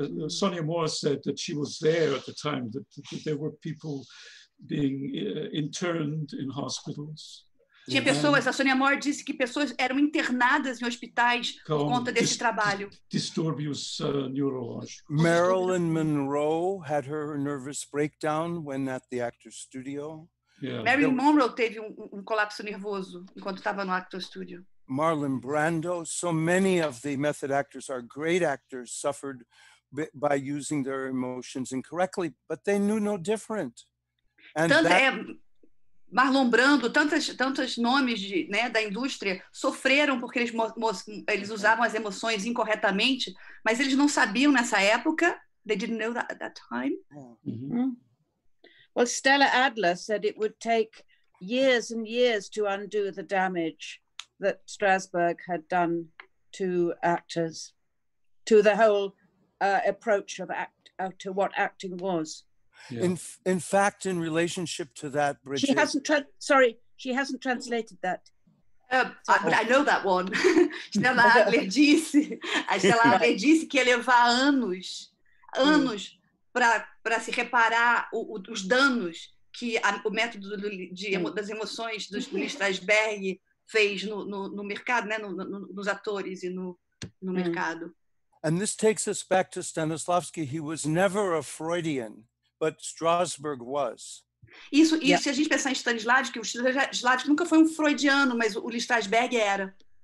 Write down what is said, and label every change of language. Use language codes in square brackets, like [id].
[en] Sonia Moore said that she was there at the time, that there were people being interned in hospitals. [pt] Tinha pessoas, a Sonia Moore disse que pessoas eram internadas em hospitais por conta desse trabalho. Distúrbios neurológicos. [en] Marilyn Monroe had her nervous breakdown when at the Actor's Studio. Yeah. [pt] Marilyn Monroe teve um colapso nervoso enquanto estava no Actor's Studio. [en] Marlon Brando, so many of the method actors are great actors, suffered by using their emotions incorrectly, but they knew no different. [pt] Marlon Brando, tantos nomes da indústria sofreram porque eles usavam as emoções incorretamente, mas eles não sabiam nessa época. [en] They didn't know that at that time. Yeah. Mm-hmm. Well, Stella Adler said it would take years and years to undo the damage that Strasberg had done to actors, to the whole approach of to what acting was. Yeah. In fact, in relationship to that, Bridget. She hasn't translated that. I know that one. [pt] Stella Adler disse que ia levar anos. Para se reparar os danos que o método das emoções do Strasberg fez no mercado, né? Nos atores e no mercado. [en] And this takes us back to Stanislavski. He was never a Freudian, but Strasberg was. [pt] Isso, se a gente pensar em Stanislavski, o Stanislavski nunca foi um freudiano, mas o Strasberg era.